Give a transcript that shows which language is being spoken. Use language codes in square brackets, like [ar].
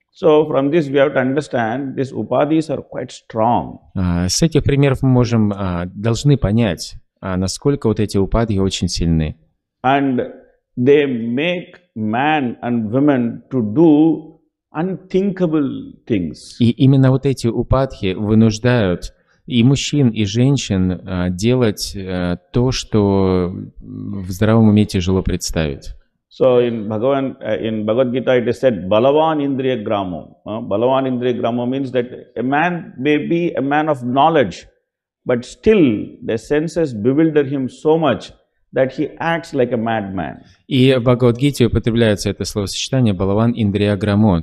[en] So from this we have to understand these upadis are quite strong. [ru] С этих примеров мы можем должны понять, насколько вот эти упадхи очень сильны. [en] And they make man and women to do unthinkable things. [ru] И именно вот эти упадхи вынуждают и мужчин, и женщин делать то, что в здравом уме тяжело представить. [en] So in Bhagavad Gita it is said [sa] Balavan Indriya Gramo. Balavan Indriya Gramo [en] means that a man may be a man of knowledge, but still the senses bewilder him so much that he acts like a madman. [ru] И в Бхагавад Гите употребляется это словосочетание Балаван Индрия Грамо.